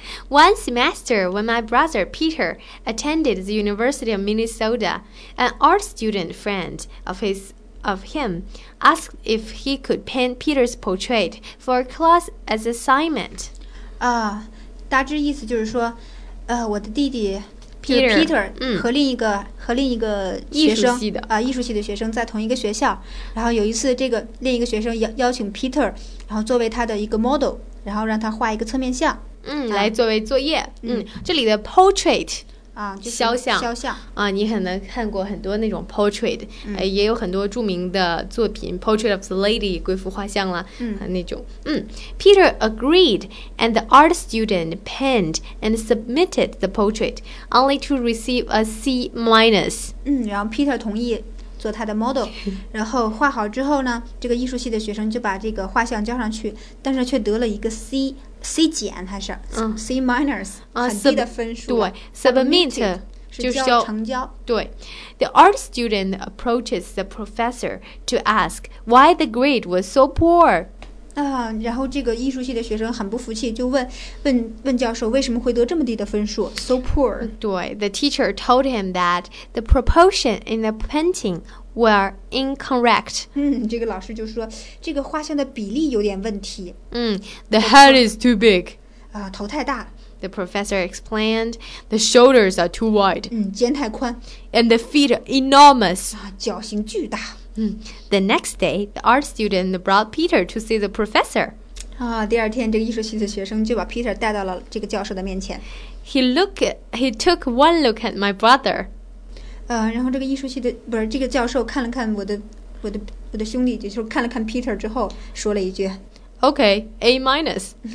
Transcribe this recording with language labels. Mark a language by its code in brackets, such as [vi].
[en] One semester when my brother Peter attended the University of Minnesota, an art student friend of him asked if he could paint Peter's portrait for a class as assignment. [zh] 大致意思就是说我的弟弟 Peter 和另一个学生艺术系的学生在同一个学校，然后有一次这个另一个学生邀请 Peter 然后作为他的一个 model， 然后让他画一个侧面像来作为作业。这里的 portrait 就是肖像你可能看过很多那种 portrait、也有很多著名的作品 [en] portrait of the lady [zh] 贵妇画像了那种。 [en] Peter agreed and the art student penned and submitted the portrait only to receive a C-. [zh] 然后 Peter 同意做他的 model， 然后画好之后呢，这个艺术系的学生就把这个画像交上去，但是却得了一个 C 减还是C minus 很低的分数。对 ，submit 就是交成交。 [en] 对 ，the art student approaches the professor to ask why the grade was so poor。 [zh] 然后这个艺术系的学生很不服气，就问教授为什么会得这么低的分数 ， [en] so poor。对 ，the teacher told him that the proportion in the painting were incorrect。 [zh] 这个老师就说这个画像的比例有点问题。 [en] The head is too big。 [zh] 头太大。 [en] The professor explained, the shoulders are too wide。 [zh] 肩太宽。 [en] And the feet are enormous。 [zh] 脚型巨大。 [en] The next day, the art student brought Peter to see the professor. [zh] 第二天这个艺术系的学生就把 Peter 带到了这个教授的面前。 [en] He took one look at my brother. [zh] 然后这个艺术系的不是这个教授看了看我的兄弟，就是看了看 Peter 之后说了一句 [en] ，Okay, A minus.